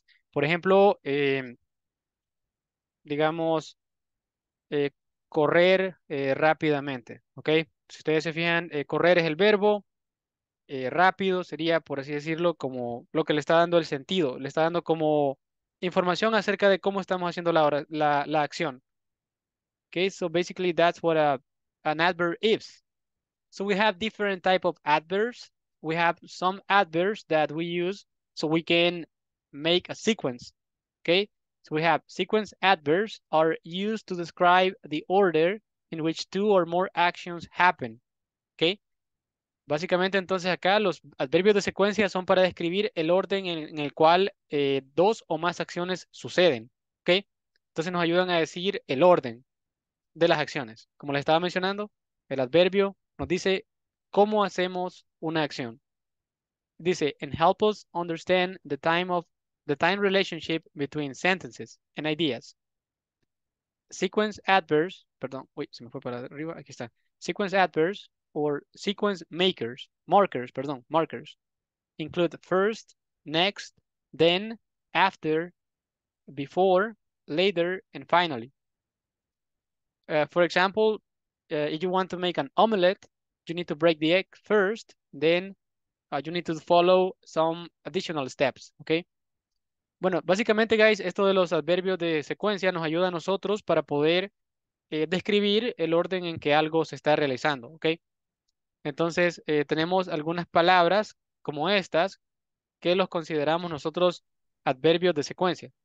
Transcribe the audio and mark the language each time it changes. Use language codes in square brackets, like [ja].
[es] Por ejemplo, digamos, correr rápidamente. ¿Okay? Si ustedes se fijan, correr es el verbo. Rápido sería, por así decirlo, como lo que le está dando el sentido. Le está dando como información acerca de cómo estamos haciendo la acción. [en] Okay, so basically that's what an adverb is. So we have different type of adverbs. We have some adverbs that we use so we can make a sequence. Okay, so we have sequence adverbs are used to describe the order in which two or more actions happen. [es] Okay, básicamente entonces acá los adverbios de secuencia son para describir el orden en el cual dos o más acciones suceden. Okay, entonces nos ayudan a decir el orden de las acciones. Como les estaba mencionando, el adverbio nos dice cómo hacemos una acción. Dice, [en] and help us understand the time relationship between sentences and ideas. Sequence adverbs, [es] perdón, uy, se me fue para arriba, aquí está. [en] Sequence adverbs or sequence makers, markers, perdón, markers, include first, next, then, after, before, later, and finally. For example, if you want to make an omelette, you need to break the egg first, then you need to follow some additional steps, okay? [es] Bueno, básicamente, guys, esto de los adverbios de secuencia nos ayuda a nosotros para poder describir el orden en que algo se está realizando, okay? Entonces, tenemos algunas palabras como estas que los consideramos nosotros adverbios de secuencia.